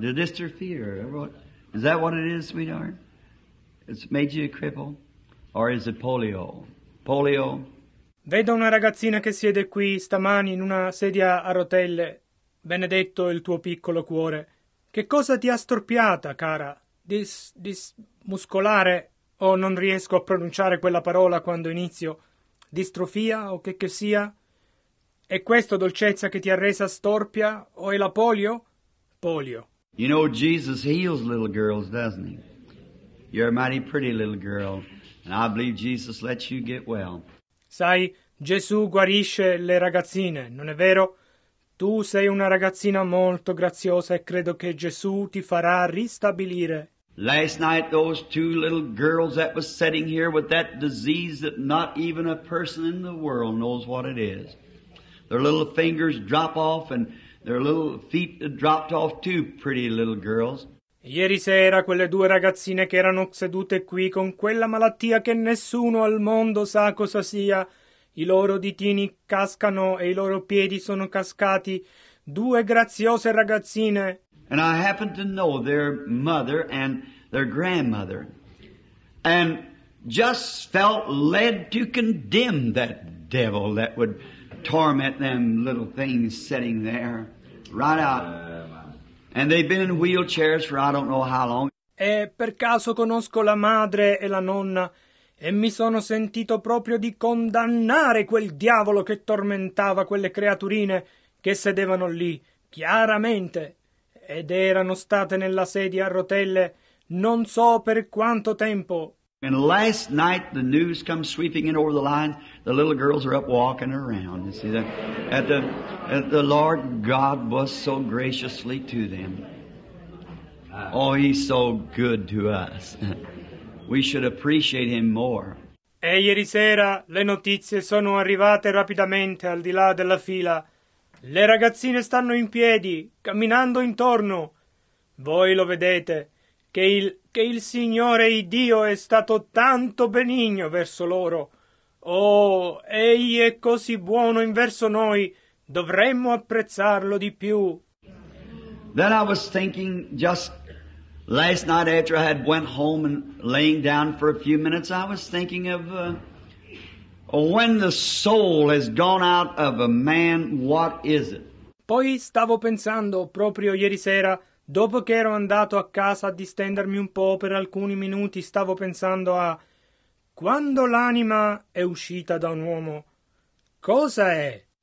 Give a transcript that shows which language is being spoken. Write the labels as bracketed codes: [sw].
[en] The dystrophy, or what? Is that what it is, sweetheart? It's made you a cripple? Or is it polio? Polio? [it] Vedo una ragazzina che siede qui stamani in una sedia a rotelle. Benedetto il tuo piccolo cuore. Che cosa ti ha storpiata, cara? Muscolare? Non riesco a pronunciare quella parola quando inizio. Distrofia o che sia? È questa dolcezza che ti ha resa storpia o è la polio? Polio. [en] You know, Jesus heals little girls, doesn't He? You're a mighty pretty little girl, and I believe Jesus lets you get well. [it] Sai, Gesù guarisce le ragazzine, non è vero? Tu sei una ragazzina molto graziosa e credo che Gesù ti farà ristabilire. [en] Last night, those two little girls that was sitting here with that disease that not even a person in the world knows what it is. Their little fingers drop off and their little feet dropped off too, pretty little girls. [it] Ieri sera quelle due ragazzine che erano sedute qui con quella malattia che nessuno al mondo sa cosa sia, i loro ditini cascano e i loro piedi sono cascati, due graziose ragazzine. [en] And I happen to know their mother and their grandmother, and just felt led to condemn that devil that would torment them little things sitting there, right out. And they've been in wheelchairs for I don't know how long. [it] E per caso conosco la madre e la nonna, e mi sono sentito proprio di condannare quel diavolo che tormentava quelle creaturine che sedevano lì, chiaramente. Ed erano state nella sedia a rotelle non so per quanto tempo. [en] And last night the news comes sweeping in over the lines. The little girls are up walking around. You see that? The Lord God was so graciously to them. Oh, He's so good to us. We should appreciate Him more. [it] E ieri sera le notizie sono arrivate rapidamente al di là della fila. Le ragazzine stanno in piedi, camminando intorno. Voi lo vedete, che il Signore e Dio è stato tanto benigno verso loro. Oh, Egli è così buono in verso noi, dovremmo apprezzarlo di più. [en] Then I was thinking just last night after I had went home and laying down for a few minutes, I was thinking of... When the soul has gone out of a man, what is it? [it] Poi stavo pensando proprio ieri sera, dopo che ero andato a casa a distendermi un po' per alcuni minuti, stavo pensando a quando l'anima è uscita da un uomo, cosa è?